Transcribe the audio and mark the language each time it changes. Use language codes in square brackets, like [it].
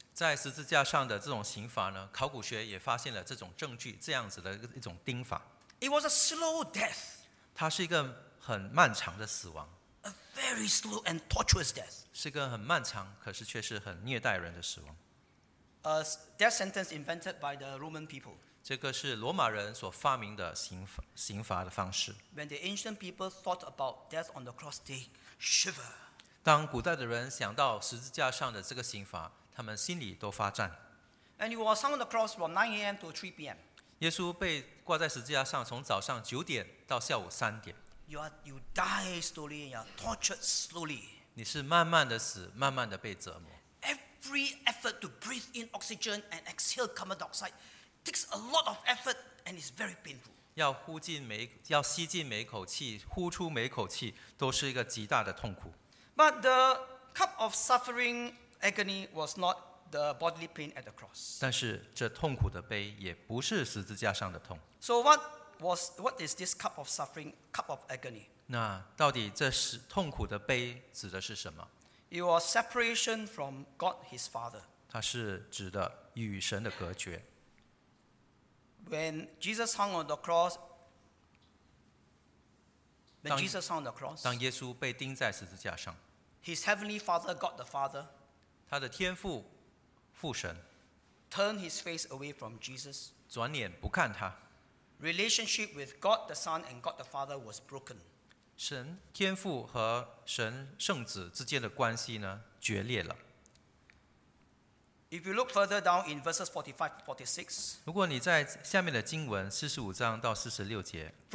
[zh] 在十字架上的这种刑罚呢，考古学也发现了这种证据，这样子的一种钉法。 [en] It was a slow death. [zh] 它是一个很漫长的死亡。 [en] A very slow and torturous death. [zh] 是一个很漫长，可是却是很虐待人的死亡。 [en] A death sentence invented by the Roman people. [zh] 这个是罗马人所发明的刑罚的方式。 [en] When the ancient people thought about death on the cross, they shiver. [zh] 当古代的人想到十字架上的这个刑罚，他们心里都发颤。 [en] And he was hung on the cross from 9 a.m. to 3 p.m. [zh] 耶稣被挂在十字架上，从早上九点到下午三点。 [en] You die slowly and you're tortured slowly. [zh] 你是慢慢的死，慢慢的被折磨。 [en] Every effort to breathe in oxygen and exhale carbon dioxide takes a lot of effort and is very painful. [zh] 要吸进每一口气，呼出每一口气，都是一个极大的痛苦。 [en] But the cup of suffering, agony was not the bodily pain at the cross. [zh] 但是这痛苦的杯也不是十字架上的痛。 [en] So what is this cup of suffering, cup of agony? [zh] 那到底这是痛苦的杯指的是什么？ [en] It was separation from God, His Father. [zh] 它是指的与神的隔绝。 [en] When Jesus hung on the cross, [zh] 当耶稣被钉在十字架上 [en] ，His Heavenly Father, God the Father, [zh] 他的天父父神 [en] ，turned His face away from Jesus. [zh] 转脸不看他。 [en] Relationship with God the Son and God the Father was broken. [zh] 神天父和神圣子之间的关系呢，决裂了。 [en] If you look further down in verses 45 to 46, [zh] 如果你在下面的经文四十五章到四十六节，